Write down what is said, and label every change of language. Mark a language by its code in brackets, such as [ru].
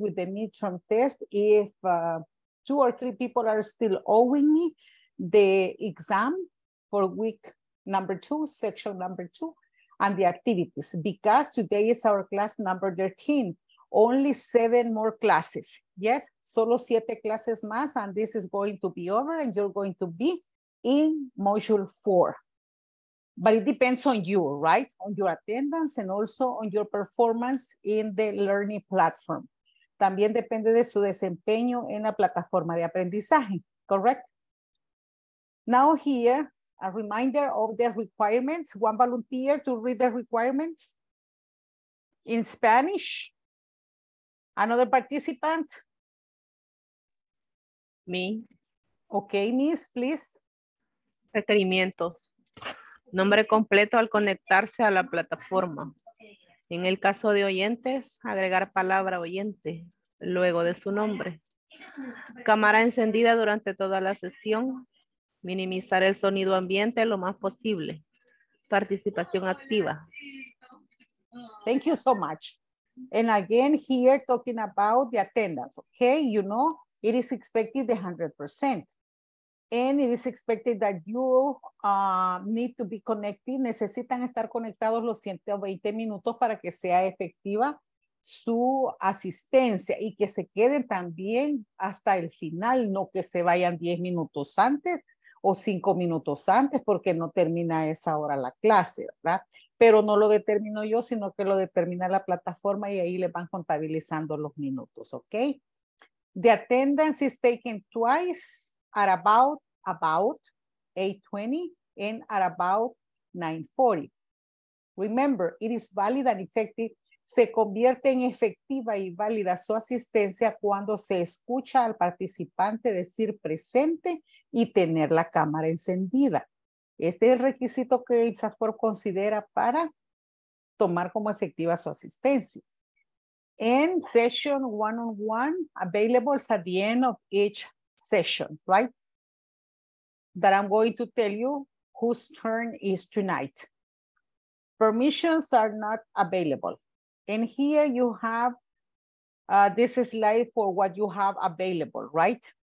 [en] With the midterm test, if two or three people are still owing me the exam for week number two, section number two, and the activities, because today is our class number 13, only 7 more classes. Yes, [es] solo 7 clases más, [en] and this is going to be over, and you're going to be in module 4. But it depends on you, right? On your attendance and also on your performance in the learning platform. [es] También depende de su desempeño en la plataforma de aprendizaje, correct? [en] Now here, a reminder of the requirements. One volunteer to read the requirements in Spanish. Another participant? Me. Okay, Miss, please. [es] Requerimientos. Nombre completo al conectarse a la plataforma. En el caso de oyentes, agregar palabra oyente luego de su nombre. Cámara encendida durante toda la sesión. Minimizar el sonido ambiente lo más posible. Participación activa. [en] Thank you so much. And again, here talking about the attendance. Okay, you know, it is expected 100%. And it is expected that you need to be connected. [es] Necesitan estar conectados los 120 minutos para que sea efectiva su asistencia y que se queden también hasta el final, no que se vayan 10 minutos antes o 5 minutos antes porque no termina esa hora la clase, ¿verdad? Pero no lo determino yo, sino que lo determina la plataforma y ahí le van contabilizando los minutos, ¿ok? [en] The attendance is taken twice. At about 8:20 and at about 9:40. Remember, it is valid and effective. [es] Se convierte en efectiva y válida su asistencia cuando se escucha al participante decir presente y tener la cámara encendida. Este es el requisito que el SAFOR considera para tomar como efectiva su asistencia. [en] And session one-on-one available at the end of each session, right? That I'm going to tell you whose turn is tonight. Permissions are not available. And here you have this slide for what you have available, right?